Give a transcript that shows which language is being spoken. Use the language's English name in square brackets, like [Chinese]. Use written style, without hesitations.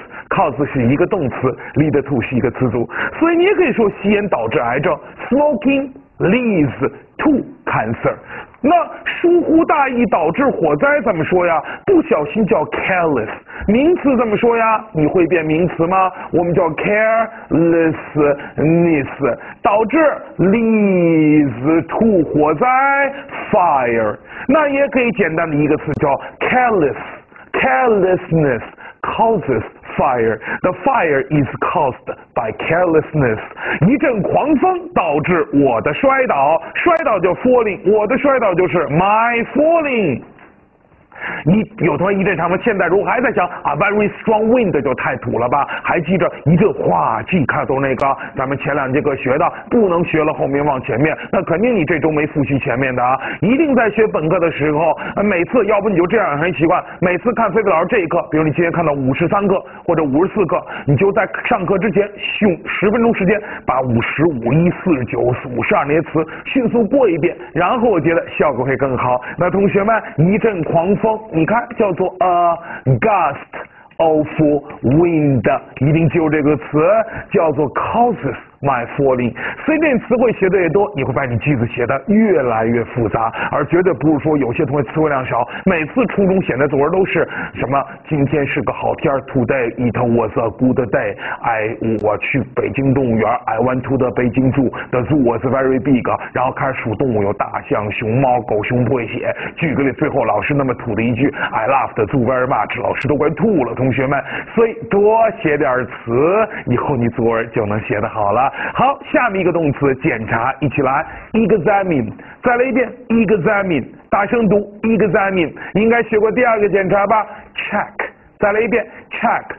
[Chinese] cause 是一个动词 ，lead to 是一个词组，所以你也可以说吸烟导致癌症 ，smoking。 [English] Leads to cancer。 [Chinese] 那疏忽大意导致火灾怎么说呀？不小心叫 careless。名词怎么说呀？你会变名词吗？我们叫 carelessness。导致 leads to 火灾 fire。那也可以简单的一个词叫 carelessness causes。 [English] Fire. The fire is caused by carelessness. [Chinese] 一阵狂风导致我的摔倒，摔倒就 falling， 我的摔倒就是 my falling。你有同学一阵长风，现在如果还在想啊 [English] very strong wind [Chinese] 就太土了吧？还记着一阵哗，记开头那个，咱们前两节课学的，不能学了后面往前面，那肯定你这周没复习前面的啊！一定在学本课的时候，每次要不你就这样很习惯，每次看菲菲老师这一课，比如你今天看到53课或者54课，你就在上课之前用10分钟时间把55、41、49、52那些词迅速过一遍，然后我觉得效果会更好。那同学们一阵狂风。你看，叫做 [English] a gust of wind， [Chinese] 一定记住这个词，叫做 [English] causes my falling。 [Chinese] 随便词汇学的越多，你会把你句子写的越来越复杂，而绝对不是说有些同学词汇量少，每次初中写的作文都是什么？今天是个好天 [English] ，Today it was a good day。 [Chinese] 我去北京动物园 [English] ，I went to the Beijing Zoo。 The zoo was very big。 [Chinese] 然后开始数动物，有大象、熊猫、狗熊不会写。举个例，最后老师那么土的一句 ， [English] I love the zoo very much。 [Chinese] 老师都快吐了，同学们。所以多写点词，以后你作文就能写得好了。好，下面一个动词检查，一起来 examine， 再来一遍 examine， 大声读 examine， 应该学过第二个检查吧 ？check， 再来一遍 check。